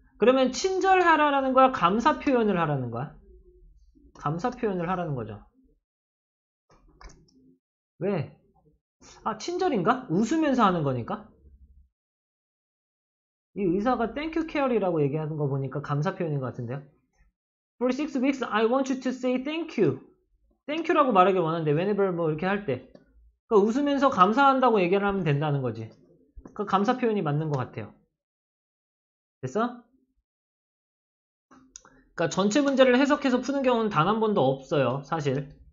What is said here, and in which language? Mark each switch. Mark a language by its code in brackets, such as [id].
[ko] 그러면 친절하라는 거야? 감사 표현을 하라는 거야? 감사 표현을 하라는 거죠. 왜? 아, 친절인가? 웃으면서 하는 거니까? 이 의사가 땡큐 케어리라고 얘기하는 거 보니까 감사 표현인 것 같은데요? [en] For 6 weeks, I want you to say thank you. [ko] 땡큐라고 말하길 원하는데, whenever 뭐 이렇게 할 때. 웃으면서 감사한다고 얘기를 하면 된다는 거지. 그 감사 표현이 맞는 것 같아요. 됐어? 그러니까 전체 문제를 해석해서 푸는 경우는 단한 번도 없어요, 사실.